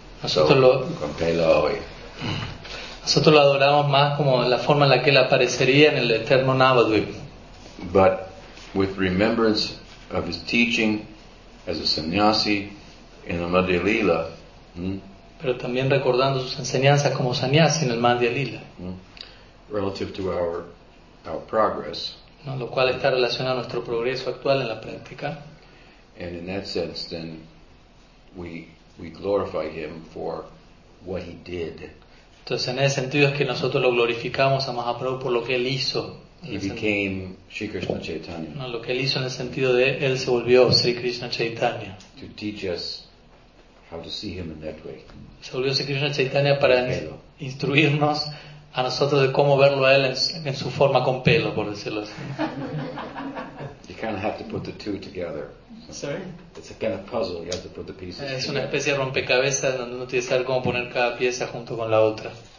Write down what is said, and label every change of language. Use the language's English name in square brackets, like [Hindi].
[Spanish] Nosotros lo adoramos más como la forma en la que él aparecería en el eterno Nambudvip. [English] But with remembrance of his teaching as a sannyasi in the Madhya Lila. [Spanish] Pero también recordando sus enseñanzas como sannyasi en el Madhya Lila. [English] Relative to our progress. [Spanish] ¿No? Lo cual está relacionado a nuestro progreso actual en la práctica. [English] And in that sense, then, we we glorify him for what he did. [Spanish] Entonces, en ese sentido es que nosotros lo glorificamos a Mahaprabhu por lo que él hizo. [English] He became Sri Krishna Chaitanya. [Spanish] No, lo que él hizo en el sentido de él se volvió Sri Krishna Chaitanya. [English] To teach us how to see him in that way. [Spanish] Se volvió Sri Krishna Chaitanya para instruirnos a nosotros de cómo verlo a él en su forma con pelo, por decirlo así. [English] You kind of have to put the two together. Sorry? It's a kind of puzzle. You have to put the pieces. [Spanish] Es una especie de rompecabezas donde uno tiene que saber cómo poner cada pieza junto con la otra.